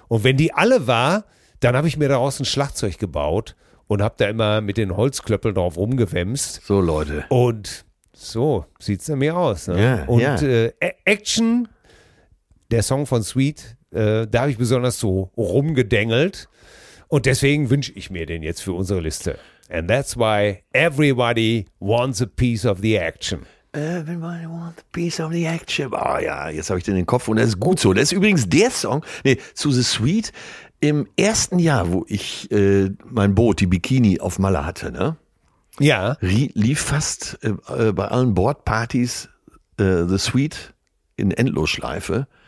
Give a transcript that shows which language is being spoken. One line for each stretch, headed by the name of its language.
German: Und wenn die alle war, dann habe ich mir daraus ein Schlagzeug gebaut und habe da immer mit den Holzklöppeln drauf rumgewämst. So, Leute. Und so sieht es an mir aus. Ne? Yeah, und Action, der Song von Sweet, da habe ich besonders so rumgedengelt. Und deswegen wünsche ich mir den jetzt für unsere Liste.
English: And that's why everybody wants a piece of the action. Everybody wants a piece of the action.
German: Oh ja, jetzt habe ich den in den Kopf und das ist gut so. Das ist übrigens der Song, zu The Sweet, im ersten Jahr, wo ich mein Boot, die Bikini auf Malle hatte, ne? Ja. Lief fast bei allen Boardpartys The Sweet in Endlosschleife.